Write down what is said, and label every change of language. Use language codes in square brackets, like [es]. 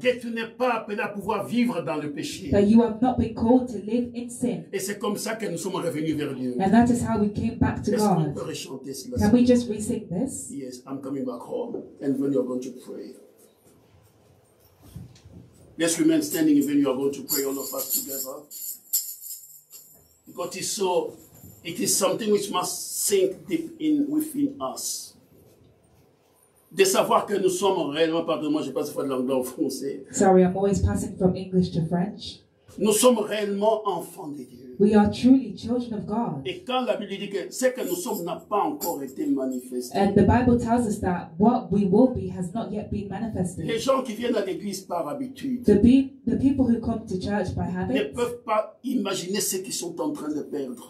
[fr] Que tu n'es pas appelé à pouvoir vivre dans le péché. [en] That you have not been called to live in sin. [fr] Et c'est comme ça que nous sommes revenus vers Dieu. [en] And that is how we came back to [fr] Est-ce [en] God. [fr] Est-ce qu'on peut rechanter cela? [en] Can we just re-sing this? Yes, I'm coming back home, and when you're going to pray. Let's remain standing even you are going to pray all of us together. Because it is something which must sink deep in within us. [fr] De savoir que nous sommes réellement, pardonne-moi, je passe de l'anglais au français. [en] Sorry, I'm always passing from English to French. [fr] Nous sommes réellement enfants de Dieu. [en] We are truly children of God. [fr] Et quand la Bible dit que ce que nous sommes n'a pas encore été manifesté. [en] And the Bible tells us that what we will be has not yet been manifested. [fr] Les gens qui viennent à l'église par habitude. [en] The people who come to church by habit. [fr] Ne peuvent pas imaginer ce qu'ils sont en train de perdre.